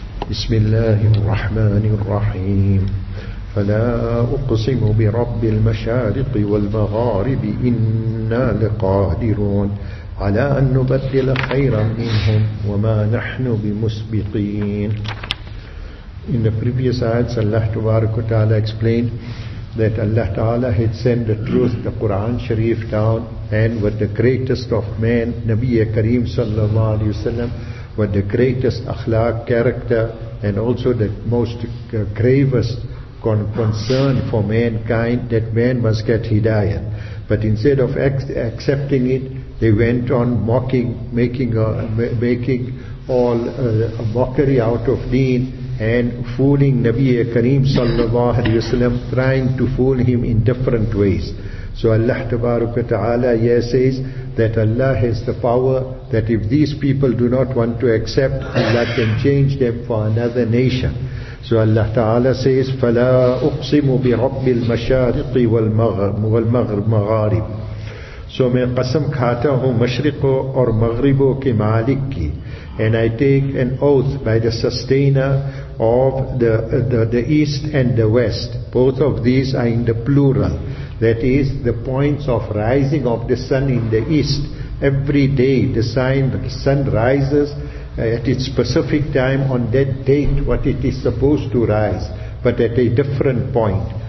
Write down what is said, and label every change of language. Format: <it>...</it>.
<ar>بسم الله الرحمن الرحيم. فلا أقسم برب المشارق والمغارب إنا لقادرون على أن نبدل خيرا منهم وما نحن بمسبقين.</ar> <en>In the previous ayats, Allah Tabaraka Ta'ala explained that Allah Ta'ala had sent the truth, the Quran Sharif, down, and with the greatest of men, Nabi Kareem Sallallahu Alaihi Wasallam, with the greatest akhlaq, character, and also the most gravest concern for mankind, that man must get hidayah. But instead of accepting it, they went on mocking, making a mockery out of deen, and fooling Nabi Kareem Sallallahu Alaihi Wasallam, trying to fool him in different ways. So Allah Tabaraka Ta'ala here says that Allah has the power, that if these people do not want to accept, Allah can change them for another nation. So Allah Ta'ala says,</en> <ar>فَلَا أُقْسِمُ بِرَبِّ الْمَشَارِقِ وَالْمَغْرِبِ.</ar> <ur>So میں قسم کھاتا ہوں مشرقوں اور مغربوں کے مالک کی.</ur> <en>And I take an oath by the sustainer of the east and the west. Both of these are in the plural. That is, the points of rising of the sun in the east. Every day the sun rises at its specific time on that date what it is supposed to rise, but at a different point.</en>